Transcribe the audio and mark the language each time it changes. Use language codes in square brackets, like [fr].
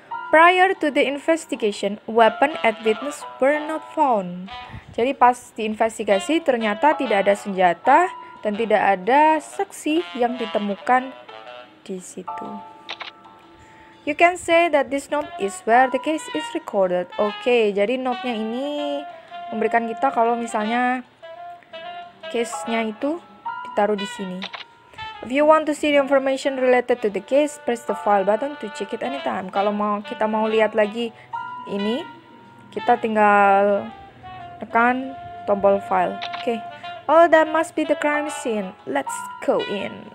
[en] Prior to the investigation, weapon and witness were not found. [id] Jadi pas diinvestigasi ternyata tidak ada senjata dan tidak ada saksi yang ditemukan di situ. [en] You can say that this note is where the case is recorded. [id] Okay, jadi note-nya ini memberikan kita kalau misalnya case-nya itu ditaruh di sini. [en] If you want to see the information related to the case, press the file button to check it anytime. [id] Kalau mau kita mau lihat lagi ini, kita tinggal tekan tombol file. Okay. [en] Oh, that must be the crime scene. Let's go in.